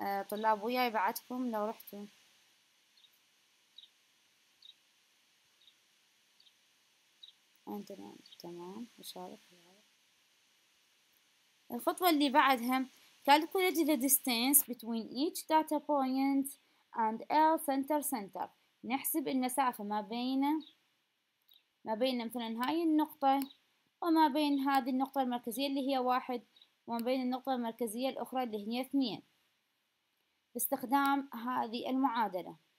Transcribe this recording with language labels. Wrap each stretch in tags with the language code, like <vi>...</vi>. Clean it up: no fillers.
<ar>طلاب وياي بعدكم لو رحتوا، انت نعم تمام أشارك. الخطوة اللي بعدها</ar> <en>calculate the distance between each data point and L center center.</en> <ar>نحسب المسافة ما بين مثلا هاي النقطة وما بين هذه النقطة المركزية اللي هي واحد وما بين النقطة المركزية الأخرى اللي هي اثنين باستخدام هذه المعادلة.</ar>